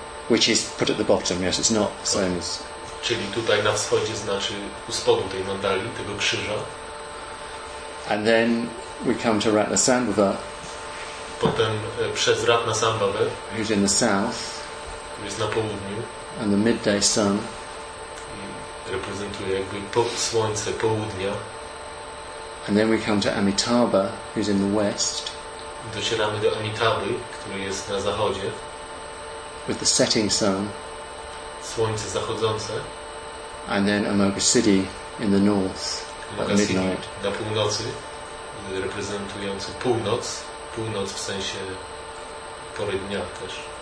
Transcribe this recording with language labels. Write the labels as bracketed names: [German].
[English] Which is put at the bottom, yes, it's not the same as... [Polish] Czyli tutaj na wschodzie znaczy u spodu tej mandali, tego krzyża. [English] And then we come to Ratnasambhava. [Polish] Potem przez Ratnasambhava, [English] who's in the south, [Polish] który jest na południu, [English] and the midday sun [Polish] reprezentuje jakby słońce południa. [English] And then we come to Amitabha, who's in the west. [Polish] Docieramy do Amitabhy, który jest na zachodzie, [English] with the setting sun, [Polish] słońce zachodzące, [English] and then Amoga City in the north. [Polish] Na północy, reprezentujący północ, północ w sensie pory dnia też.